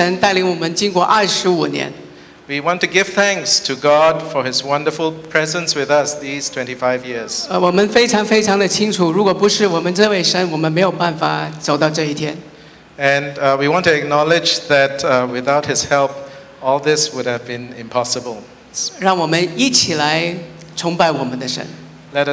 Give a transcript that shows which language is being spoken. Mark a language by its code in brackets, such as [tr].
[zh] 我们要感谢我们的神，信实的神带领我们经过25年。 [en] We want to give thanks to God for His wonderful presence with us these 25 years. [zh] 我们非常非常的清楚，如果不是我们这位神，我们没有办法走到这一天。 [en] And we want to acknowledge that without His help, all this would have been impossible. [zh] 让我们一起来崇拜我们的神。Let